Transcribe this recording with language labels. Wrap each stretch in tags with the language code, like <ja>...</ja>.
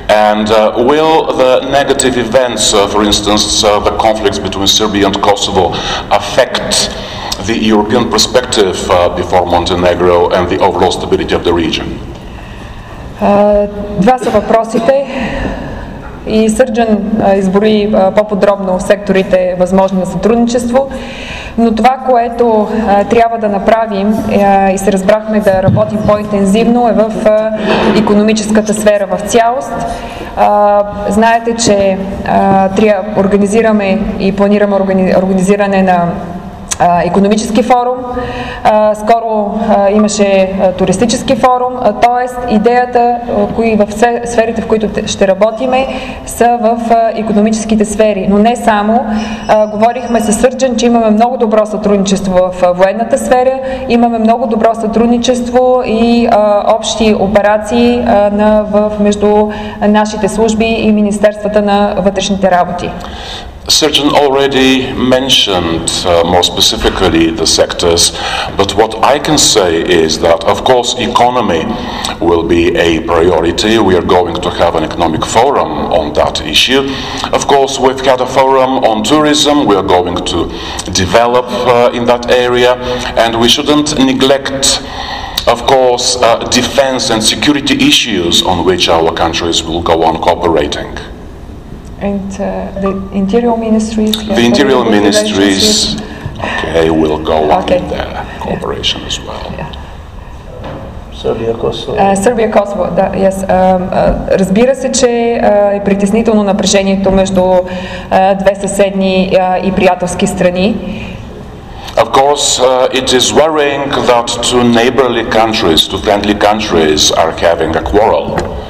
<en>And will the negative events, for instance, the conflicts between Serbia and Kosovo, affect the European perspective before Montenegro and the overall stability of the region?</en> <bg>Два са въпросите. И Сърджан избори по-подробно секторите възможни на сътрудничество, но това, което трябва да направим и се разбрахме да работим по-интензивно е в икономическата сфера в цялост. Знаете, че организираме и планираме организиране на икономически форум, скоро имаше туристически форум, т.е. идеята в сферите, в които ще работиме, са в икономическите сфери, но не само. Говорихме с Сърджан, че имаме много добро сътрудничество в военната сфера, имаме много добро сътрудничество и общи операции между нашите служби и Министерствата на вътрешните работи.</bg> <en>Certain already mentioned more specifically the sectors, but what I can say is that of course economy will be a priority. We are going to have an economic forum on that issue. Of course we've had a forum on tourism, we are going to develop in that area, and we shouldn't neglect of course defense and security issues on which our countries will go on cooperating. And the interior ministries. The interior ministries, okay, will go okay. on their cooperation yeah. as well.</en> <bg>Сърбия Косово, да,</bg> <en>yes.</en> <bg>Разбира се, че е притеснително напрежението между две съседни и приятелски страни.</bg> <en>Of course, it is worrying that two neighborly countries, two friendly countries, are having a quarrel.</en>